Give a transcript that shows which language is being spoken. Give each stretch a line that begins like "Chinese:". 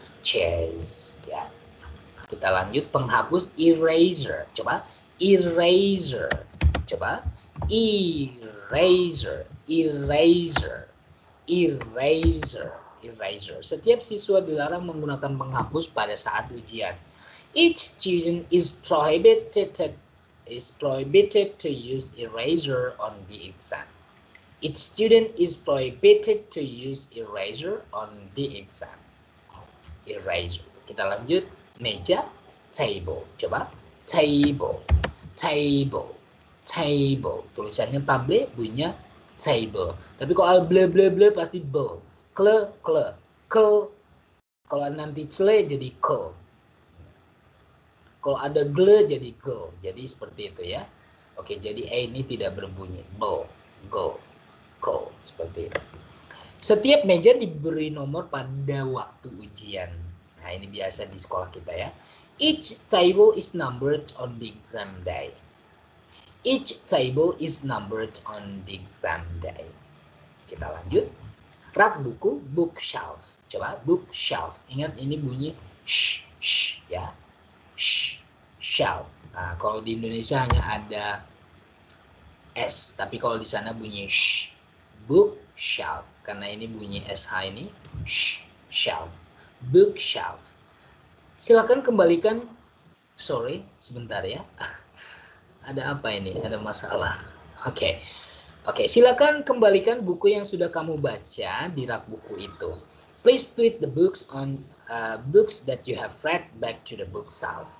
Indonesian: Chairs. Ya. Kita lanjut. Penghapus eraser. Coba. Eraser. Coba. Eraser. Eraser. Eraser, eraser. Setiap siswa dilarang menggunakan penghapus pada saat ujian.
English: Each student is prohibited to use eraser on the exam. Each student is prohibited to use eraser on the exam.
Indonesian: Eraser. Kita lanjut. Meja, table. Coba. Table, table, table. Tulisannya table, bunyinya table. Tapi kalau ble ble ble pasti bel. Kle kle. Kel. Kalau nanti cle jadi ke. Kalau ada gle jadi ge. Jadi seperti itu ya. Oke, jadi e ini tidak berbunyi. Bel. Go. Ko. Seperti itu. Setiap meja diberi nomor pada waktu ujian. Nah, ini biasa di sekolah kita ya.
English: Each table is numbered on the exam day. Each table is numbered on the exam day.
Indonesian: Kita lanjut. Rak buku, bookshelf. Coba, bookshelf. Ingat ini bunyi sh, sh, ya. Sh, shelf. Nah, kalau di Indonesia hanya ada S. Tapi kalau di sana bunyi sh, bookshelf. Karena ini bunyi SH ini. Sh, shelf. Bookshelf. Silakan kembalikan. Sorry, sebentar ya. Ada apa ini? Ada masalah. Oke. Oke, silakan kembalikan buku yang sudah kamu baca di rak buku itu.
English: Please put the books on books that you have read back to the bookshelf.